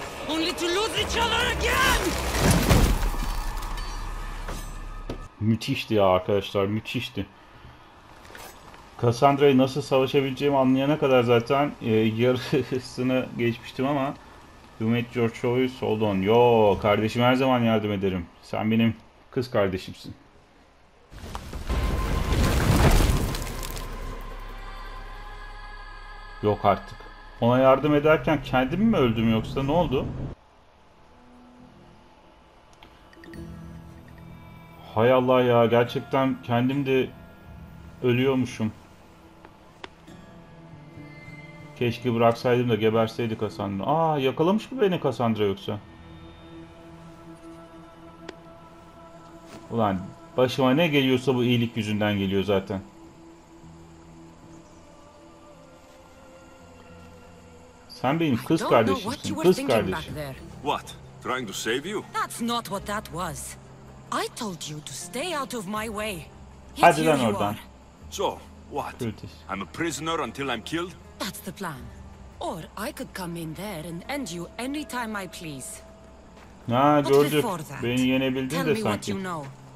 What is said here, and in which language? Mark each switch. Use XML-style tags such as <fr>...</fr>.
<en>Only to lose each other again.</en> <tr>Müthişti ya arkadaşlar, müthişti. Cassandra'yı nasıl savaşabileceğimi anlayana kadar zaten yarısını geçmiştim ama</tr> <en>You made your choice, hold on.</en> <tr>Yo, kardeşim her zaman yardım ederim. Sen benim kız kardeşimsin. Yok artık. Ona yardım ederken kendim mi öldüm yoksa ne oldu? Hay Allah ya, gerçekten kendim de ölüyormuşum. Keşke bıraksaydım da geberseydi Cassandra. Aa, yakalamış mı beni Cassandra yoksa? Ulan başıma ne geliyorsa bu iyilik yüzünden geliyor zaten. Sen benim kız kardeşimsin, kız kardeşim.</tr> <en>What? Trying to save you? That's not what that was. I told you to stay out of my way.</en> <tr>Hadi lan oradan.</tr> <en>So, what? I'm a prisoner until I'm killed? That's the plan. Or I could come in there and end you anytime I please.</en> <tr>Na, gördük. Beni yenebildin de sanki.</tr> <en>You know.</en>